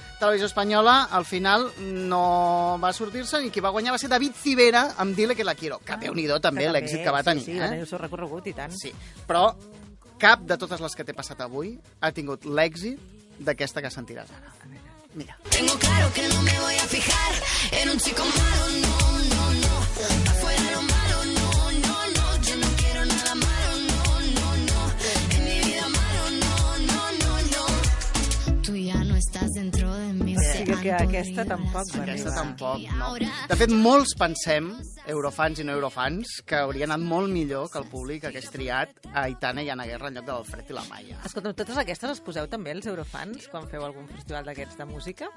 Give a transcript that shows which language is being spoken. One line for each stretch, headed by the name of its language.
Catalan: Televisió Espanyola, al final, no va sortir-se ni qui va guanyar va ser David Civera amb Dile que la quiero. Que déu-n'hi-do, també, l'èxit que va tenir. Sí, sí, també s'ho ha recorregut, i tant. Sí, però cap de totes les que t'he passat avui ha tingut l'èxit d'aquesta que sentiràs ara. Mira.
Spanish: Tengo claro que no me voy a fijar en un chico malo, no, no, no. Afuera lo malo, no, no, no. Yo no quiero nada malo, no, no, no. En mi vida malo, no, no, no, no. Tú ya no estás dentro de mí.
Catalan: O sigui que aquesta tampoc va arribar. Aquesta tampoc, no. De fet, molts pensem, eurofans i no eurofans, que hauria anat molt millor que el públic hagués triat Aitana i Anna Guerra en lloc de l'Alfred i la Maya. Escolta, totes aquestes les poseu també els eurofans quan feu algun festival d'aquests de música?